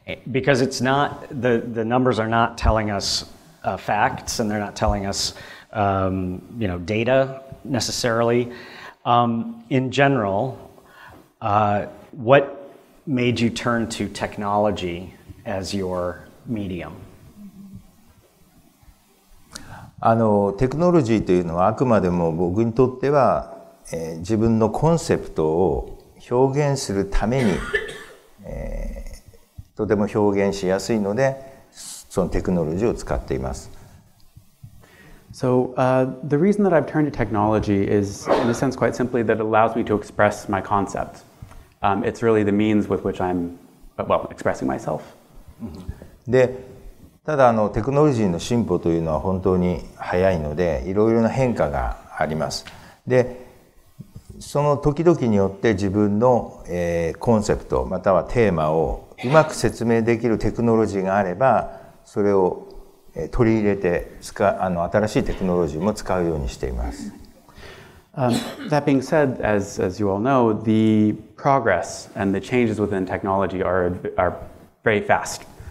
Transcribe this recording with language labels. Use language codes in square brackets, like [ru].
[en] Because it's not, the numbers are not telling us facts, and they're not telling us, you know, data necessarily. In general, what made you turn to technology as your medium? [ja] テクノロジーというのはあくまでも僕にとっては、自分のコンセプトを表現するために、とても表現しやすいのでそのテクノロジーを使っています。 [en] So, the reason that I've turned to technology is, in a sense, quite simply that it allows me to express my concept. It's really the means with which I'm, well, expressing myself. [ja] でただテクノロジーの進歩というのは本当に早いのでいろいろな変化があります。でその時々によって自分の、コンセプトまたはテーマをうまく説明できるテクノロジーがあればそれを、取り入れて使新しいテクノロジーも使うようにしています。 [en] That being said, as you all know, the progress and the changes within technology are very fast.